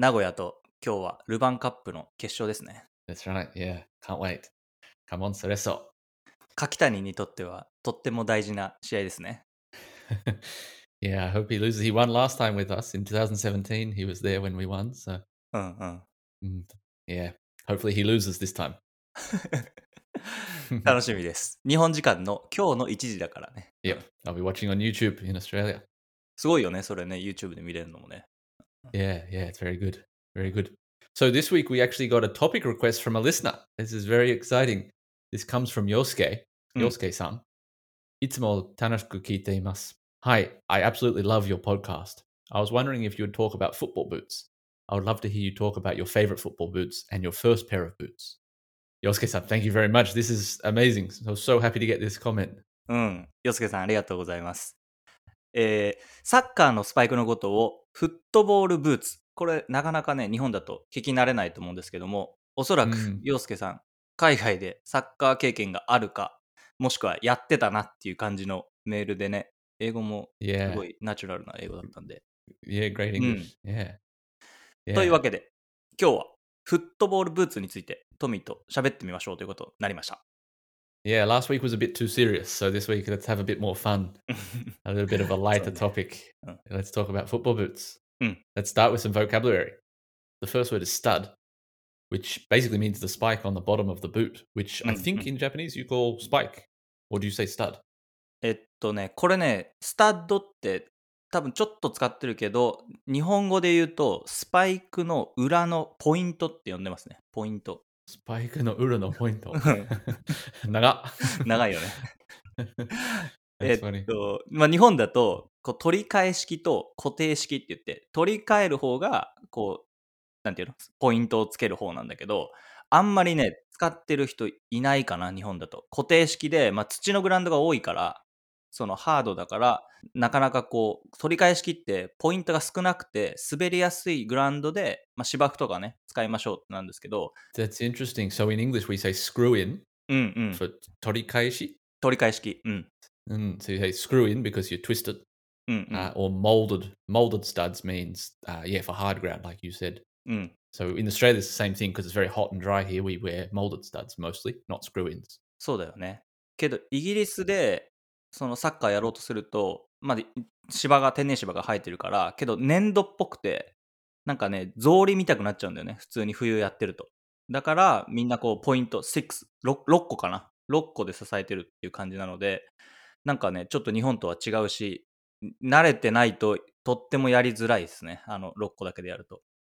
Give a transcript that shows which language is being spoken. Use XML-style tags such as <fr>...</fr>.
<ja>名古屋と今日はルヴァンカップの決勝ですね。</ja> <en>That's right. Yeah. Can't wait. Come on,</en> <ja>それそう。柿谷にとってはとっても大事な試合ですね。</ja> <en>Yeah, I hope he loses. He won last time with us in 2017. He was there when we won, so. Yeah. Hopefully he loses this time.</en> <ja>楽しみです。日本時間の今日の1時だからね。</ja> <en>Yep. I'll be watching on YouTube in Australia.</en> <ja>すごいよね、それね、YouTube で見れるのもね。</ja> <en>Yeah, yeah, it's very good. Very good. So this week we actually got a topic request from a listener. This is very exciting. This comes from Yosuke. Yosuke-san.、</en> <ja>うん、いつも楽しく聞いています。</ja> <en>Hi, I absolutely love your podcast. I was wondering if you would talk about football boots. I would love to hear you talk about your favorite football boots and your first pair of boots. Yosuke-san, thank you very much. This is amazing. I was so happy to get this comment.</en> <ja>うん、Yosuke-san, ありがとうございます。サッカーのスパイクのことをフットボールブーツ、これなかなかね日本だと聞き慣れないと思うんですけども、おそらく陽介さん、うん、海外でサッカー経験があるかもしくはやってたなっていう感じのメールでね、英語もすごいナチュラルな英語だったんで、</ja> <en>Yeah, great English、うん、Yeah.</en> <ja>というわけで今日はフットボールブーツについてトミーと喋ってみましょうということになりました。</ja> <en>Yeah, last week was a bit too serious, so this week let's have a bit more fun, a little bit of a lighter topic. Let's talk about football boots. Let's start with some vocabulary. The first word is stud, which basically means the spike on the bottom of the boot, which I think in Japanese you call spike, or do you say stud?</en> <ja>これね、スタッドって多分ちょっと使ってるけど、日本語で言うとスパイクの裏のポイントって呼んでますね、ポイント。スパイクの裏のポイント長っ長いよね</ja> <en>That's funny.</en> <ja>まあ、日本だとこう取り替え式と固定式って言って、取り替える方がこうなんていうのポイントをつける方なんだけど、あんまりね使ってる人いないかな日本だと。固定式で、まあ、土のグラウンドが多いから、そのハードだからなかなかこう取り替え式ってポイントが少なくて滑りやすいグラウンドで、まあ、芝生とかね使いましょうってなんですけど。</ja> <en>That's interesting. So in English we say screw in、</en> <ja>うんうん、</ja> <en>for 取り替え式。</en> <ja>取り替え式、うん、うん。</ja> <en>So you say screw in because you twist it、</en> <ja>うんうん</ja> <en>or molded. Molded studs means、yeah, for hard ground like you said、</en> <ja>うん、</ja> <en>So in Australia it's the same thing because it's very hot and dry here. We wear molded studs mostly, not screw ins.</en> <ja>そうだよね。けどイギリスでそのサッカーやろうとすると、まあ、芝が天然芝が生えてるからけど粘土っぽくてなんかね草履見たくなっちゃうんだよね普通に冬やってると。だからみんなこうポイント 6個かな、6個で支えてるっていう感じなので、なんかねちょっと日本とは違うし、慣れてないととってもやりづらいですね、あの6個だけでやると。</ja>